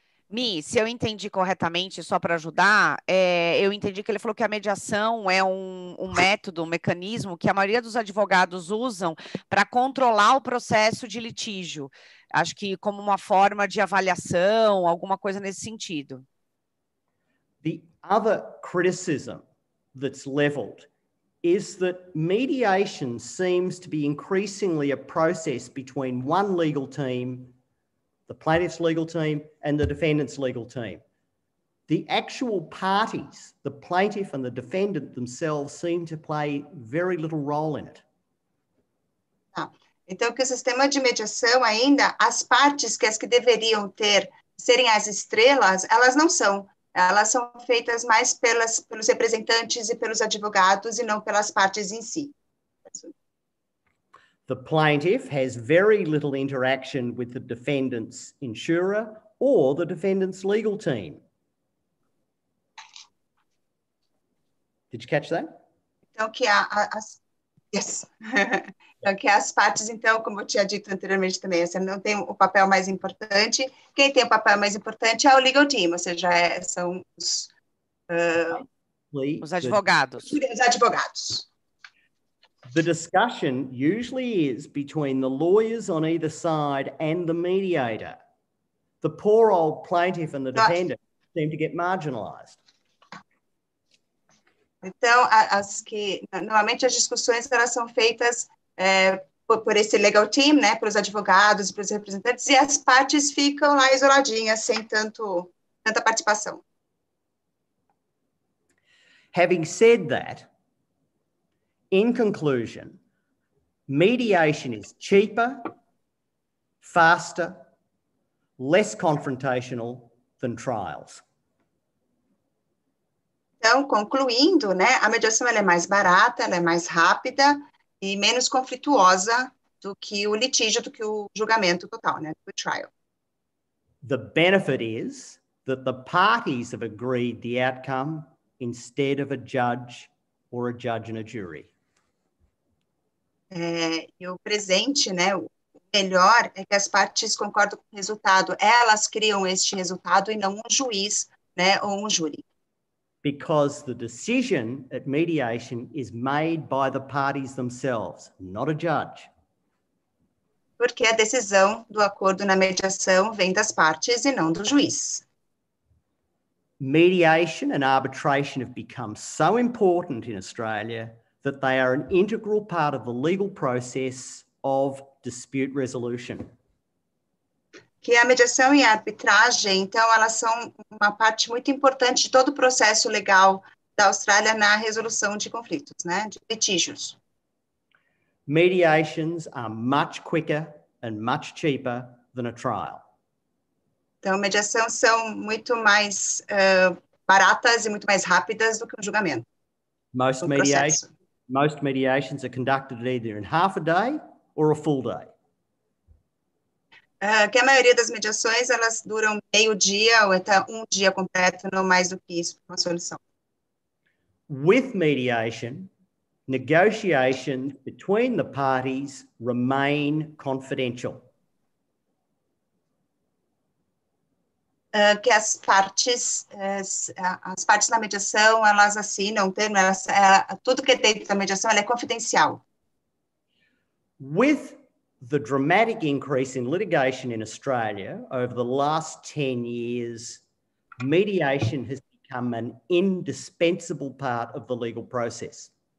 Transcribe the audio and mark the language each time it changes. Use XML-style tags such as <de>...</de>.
<pt>Mi, se eu entendi corretamente, só para ajudar, eu entendi que ele falou que a mediação é um método, um mecanismo que a maioria dos advogados usam para controlar o processo de litígio. Acho que como uma forma de avaliação, alguma coisa nesse sentido.</pt> <en>The other criticism that's leveled is that mediation seems to be increasingly a process between one legal team, the plaintiff's legal team, and the defendant's legal team. The actual parties, the plaintiff and the defendant themselves, seem to play very little role in it.</en> <pt>Então, que o sistema de mediação ainda, as partes que as que deveriam ter, serem as estrelas, elas não são. Elas são feitas mais pelos representantes e pelos advogados e não pelas partes em si.</pt> <en>The plaintiff has very little interaction with the defendant's insurer or the defendant's legal team. Did you catch that?</en> <pt>Então, que</pt> <en>yes.</en> <pt>Então, que as partes, então, como eu tinha dito anteriormente também, você não tem o papel mais importante. Quem tem o papel mais importante é o</pt> <en>legal team,</en> <pt>ou seja, são os advogados. Os advogados.</pt> <en>The discussion usually is between the lawyers on either side and the mediator. The poor old plaintiff and the defendant seem to get marginalized.</en> <pt>Então, as que normalmente as discussões elas são feitas por esse</pt> <en>legal team,</en> <pt>né, pelos advogados, pelos representantes, e as partes ficam lá isoladinhas, sem tanta participação.</pt> <en>Having said that, in conclusion, mediation is cheaper, faster, less confrontational than trials.</en> <pt>Então, concluindo, né, a mediação ela é mais barata, ela é mais rápida e menos conflituosa do que o litígio, do que o julgamento total, né, do trial.</pt> <en>The benefit is that the parties have agreed the outcome instead of a judge or a judge and a jury.</en> <pt>E o presente, né, o melhor é que as partes concordam com o resultado. Elas criam este resultado e não um juiz, né, ou um júri.</pt> <en>Because the decision at mediation is made by the parties themselves, not a judge.</en> <pt>Porque a decisão do acordo na mediação vem das partes e não do juiz.</pt> <en>Mediation and arbitration have become so important in Australia that they are an integral part of the legal process of dispute resolution.</en> <pt>Que a mediação e a arbitragem, então, elas são uma parte muito importante de todo o processo legal da Austrália na resolução de conflitos, né, de litígios.</pt> <en>Mediations are much quicker and much cheaper than a trial.</en> <pt>Então, mediação são muito mais baratas e muito mais rápidas do que um julgamento.</pt> <en>Most mediations are conducted either in half a day or a full day.</en> <pt>Que a maioria das mediações, elas duram meio dia ou até um dia completo, não mais do que isso, para uma solução.</pt> <en>With mediation, negotiations between the parties remain confidential.</en> <pt>Que as partes da mediação, elas assinam, tudo que é dentro da mediação, ela é confidencial.</pt> <en>With the dramatic increase in litigation in Australia over the last 10 years, mediation has become an indispensable part of the legal process.</en>